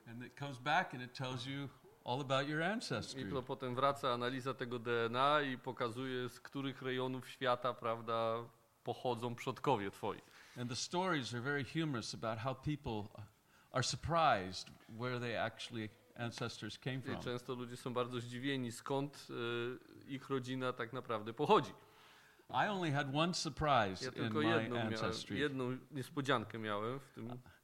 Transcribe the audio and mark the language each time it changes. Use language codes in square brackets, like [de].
[en] And it comes back and it tells you all about your ancestry. [pl] I potem wraca analiza tego DNA i pokazuje, z których rejonów świata, prawda, pochodzą przodkowie twoi. [en] And the stories are very humorous about how people are surprised where they actually ancestors came from. [pl] I często ludzie są bardzo zdziwieni, skąd ich rodzina tak naprawdę pochodzi. [en] I only had one surprise [pl] ja [en] in my ancestry. [pl] Jedną niespodziankę miałem w tym.